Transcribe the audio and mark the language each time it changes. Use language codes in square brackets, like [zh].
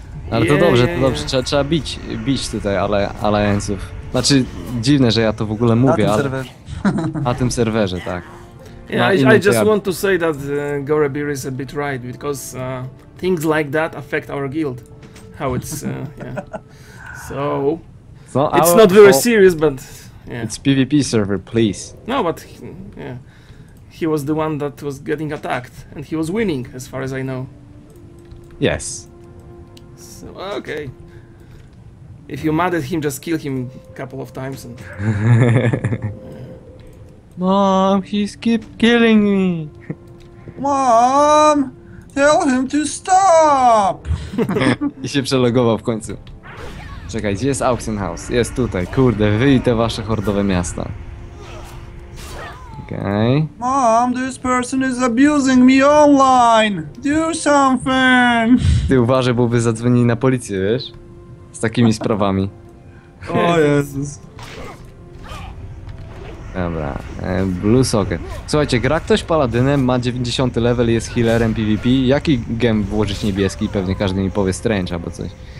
[pl] Ale to dobrze, trzeba bić tutaj alianców. Znaczy, dziwne, że ja to w ogóle mówię, na tym serwerze. Na tym serwerze, tak. [en] Yeah, I just want to say that Gorebeer is a bit right, because things like that affect our guild. How it's, So it's not very serious, but... Yeah. It's PvP server, please. No, but he was the one that was getting attacked, and he was winning, as far as I know. Yes. So, okay. If you're mad at him, just kill him a couple of times and... Mom, he's keep killing me. Mom, tell him to stop. [pl] I się przelogował w końcu. Czekaj, gdzie jest Auction House? Jest tutaj, kurde, wyjdź te wasze hordowe miasta. Okej. [en] Mom, this person is abusing me online. Do something. [pl] Ty uważaj, bo by zadzwonili na policję, wiesz? Z takimi sprawami. O Jezus. Dobra, Blue Socket. Słuchajcie, gra ktoś paladynem, ma 90 level, jest healerem PvP. Jaki gem włożyć niebieski? Pewnie każdy mi powie Strange albo coś.